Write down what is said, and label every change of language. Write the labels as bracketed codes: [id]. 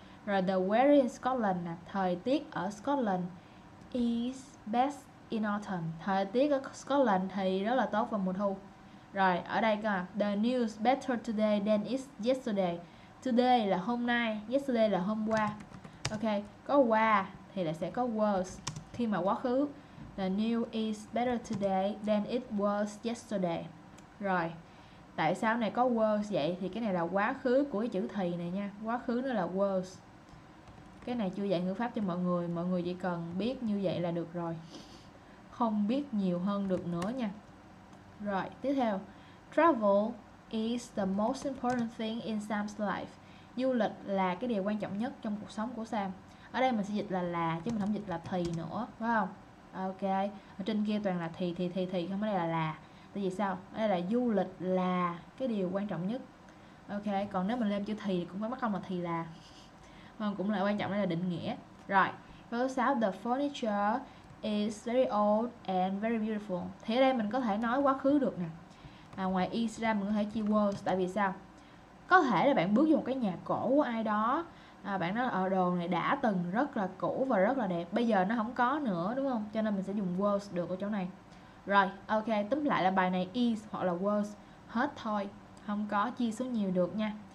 [vi] Rồi [en] the weather in Scotland [vi] nè, à, thời tiết ở Scotland [en] is best in autumn, [vi] thời tiết ở Scotland thì rất là tốt vào mùa thu. Rồi ở đây cơ, [en] the news better today than it's yesterday. [vi] Today là hôm nay, yesterday là hôm qua. Ok, có qua thì lại sẽ có was khi mà quá khứ. [en] The news is better today than it was yesterday. [vi] Rồi, tại sao này có was vậy? Thì cái này là quá khứ của cái chữ thì này nha. Quá khứ nó là was. Cái này chưa dạy ngữ pháp cho mọi người chỉ cần biết như vậy là được rồi. Không biết nhiều hơn được nữa nha. Rồi, tiếp theo. [en] Travel is the most important thing in Sam's life. [vi] Du lịch là cái điều quan trọng nhất trong cuộc sống của Sam. Ở đây mình sẽ dịch là chứ mình không dịch là thì nữa, phải không? Ok, ở trên kia toàn là thì, không có đây là. Tại vì sao? Ở đây là du lịch là cái điều quan trọng nhất. Ok, còn nếu mình lên chữ thì cũng phải mất công là thì là. Vâng, cũng là quan trọng, đây là định nghĩa. Rồi, câu 6, [en] the furniture is very old and very beautiful. [vi] Thì ở đây mình có thể nói quá khứ được nè. À, ngoài is ra mình có thể chia was, tại vì sao? Có thể là bạn bước vô một cái nhà cổ của ai đó, à, bạn nói ở đồ này đã từng rất là cũ và rất là đẹp, bây giờ nó không có nữa đúng không? Cho nên mình sẽ dùng was được ở chỗ này. Rồi, ok, tóm lại là bài này is hoặc là was hết thôi, không có chia xuống nhiều được nha.